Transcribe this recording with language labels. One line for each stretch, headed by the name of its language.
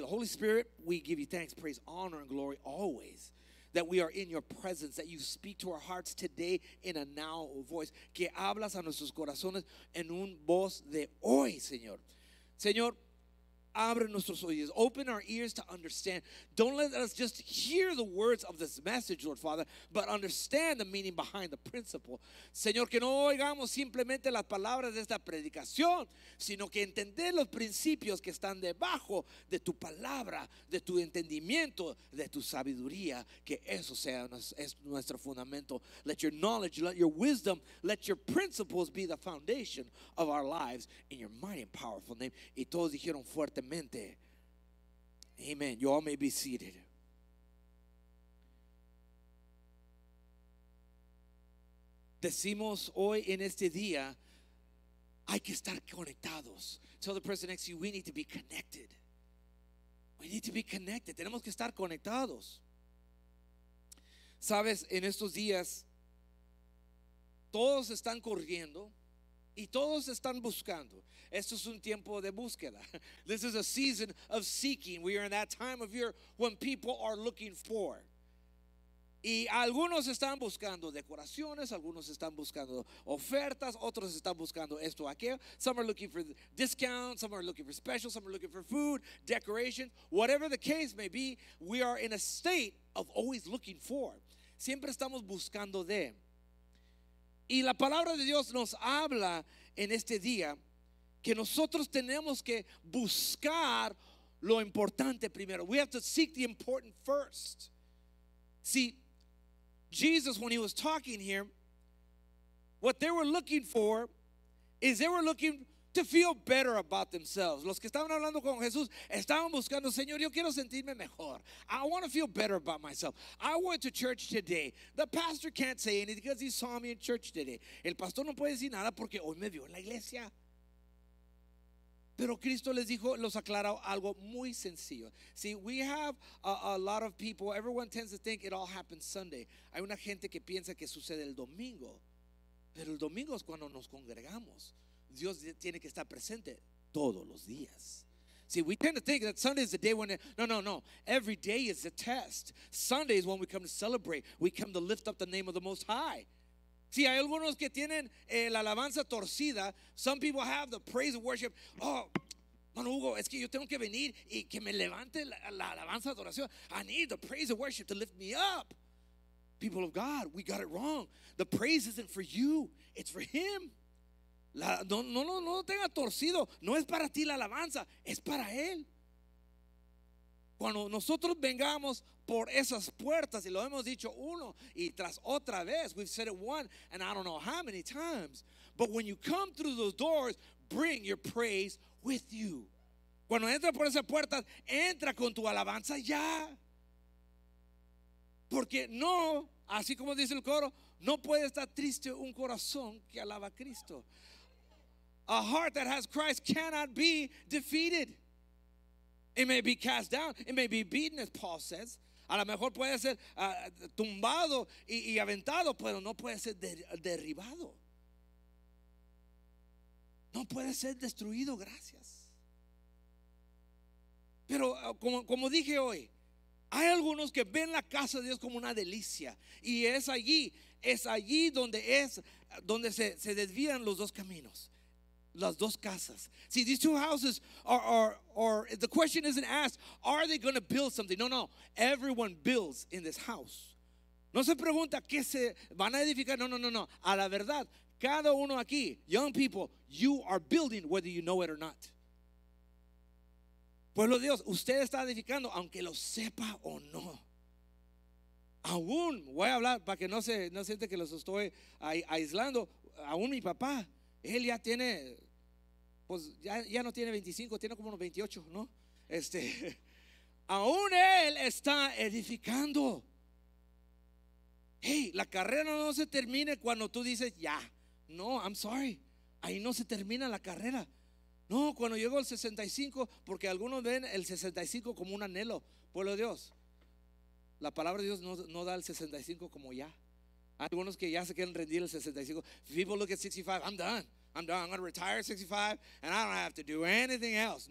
English: Holy Spirit, we give you thanks, praise, honor, and glory always that we are in your presence, that you speak to our hearts today in a now voice,
Spanish: que hablas a nuestros corazones en un voz de hoy, Señor. Señor, abre nuestros oídos,
English: open our ears to understand. Don't let us just hear the words of this message, Lord Father, but understand the meaning behind the principle.
Spanish: Señor, que no oigamos simplemente las palabras de esta predicación, sino que entender los principios que están debajo de tu palabra, de tu entendimiento, de tu sabiduría, que eso sea nuestro fundamento.
English: Let your knowledge, let your wisdom, let your principles be the foundation of our lives in your mighty and powerful name.
Spanish: Y todos dijeron fuerte.
English: Amen. You all may be seated.
Spanish: Decimos hoy en este día, hay que estar conectados.
English: Tell the person next to you, we need to be connected. We need to be connected.
Spanish: Tenemos que estar conectados. Sabes, en estos días, todos están corriendo y todos están buscando. Esto es un tiempo de búsqueda.
English: This is a season of seeking. We are in that time of year when people are looking for.
Spanish: Y algunos están buscando decoraciones, algunos están buscando ofertas, otros están buscando esto, aquello.
English: Some are looking for discounts, some are looking for specials, some are looking for food, decorations. Whatever the case may be, we are in a state of always looking for.
Spanish: Siempre estamos buscando de. Y la palabra de Dios nos habla en este día que nosotros tenemos que buscar lo importante primero.
English: We have to seek the important first. See, Jesus, when he was talking here, what they were looking for is they were looking to feel better about themselves.
Spanish: Los que estaban hablando con Jesús estaban buscando, Señor, yo quiero sentirme mejor.
English: I want to feel better about myself. I went to church today. The pastor can't say anything because he saw me in church today.
Spanish: El pastor no puede decir nada porque hoy me vio en la iglesia. Pero Cristo les dijo, los aclaró algo muy sencillo.
English: See, we have a lot of people, everyone tends to think it all happens Sunday.
Spanish: Hay una gente que piensa que sucede el domingo. Pero el domingo es cuando nos congregamos. Dios tiene que estar presente todos los días.
English: See, we tend to think that Sunday is the day when it, No. Every day is the test. Sunday is when we come to celebrate. We come to lift up the name of the Most High.
Spanish: Si hay algunos que tienen la alabanza torcida,
English: some people have the praise and worship.
Spanish: Oh, Mano Hugo, es que yo tengo que venir y que me levante la alabanza de adoración.
English: I need the praise and worship to lift me up. People of God, we got it wrong. The praise isn't for you, it's for him.
Spanish: No tenga torcido, no es para ti la alabanza, es para él. Cuando nosotros vengamos por esas puertas, y lo hemos dicho uno y tras otra vez,
English: we've said it one and I don't know how many times, but when you come through those doors, bring your praise with you.
Spanish: Cuando entra por esas puertas, entra con tu alabanza ya. Porque no, así como dice el coro, no puede estar triste un corazón que alaba a Cristo.
English: A heart that has Christ cannot be defeated. It may be cast down, it may be beaten, as Paul says.
Spanish: A lo mejor puede ser tumbado y aventado, pero no puede ser derribado. No puede ser destruido, gracias. Pero como dije hoy, hay algunos que ven la casa de Dios como una delicia. Y es allí donde se desvían los dos caminos. Las dos casas.
English: See, these two houses are the question isn't asked, are they going to build something?
Spanish: No.
English: Everyone builds in this house.
Spanish: No se pregunta qué se van a edificar. No. A la verdad, cada uno aquí,
English: young people, you are building whether you know it or not.
Spanish: Pueblo de Dios, usted está edificando aunque lo sepa o no. Aún, voy a hablar para que no siente que los estoy aislando. Aún mi papá, él ya tiene... Pues ya no tiene 25, tiene como unos 28, ¿no? Aún él está edificando. Hey, la carrera no se termina cuando tú dices ya. No,
English: I'm sorry.
Spanish: Ahí no se termina la carrera. No, cuando llego al 65, porque algunos ven el 65 como un anhelo. Pueblo de Dios, la palabra de Dios no da el 65 como ya. Hay algunos que ya se quieren rendir el 65.
English: People look at 65, I'm done. I'm done. I'm going to retire at 65 and I don't have to do anything else.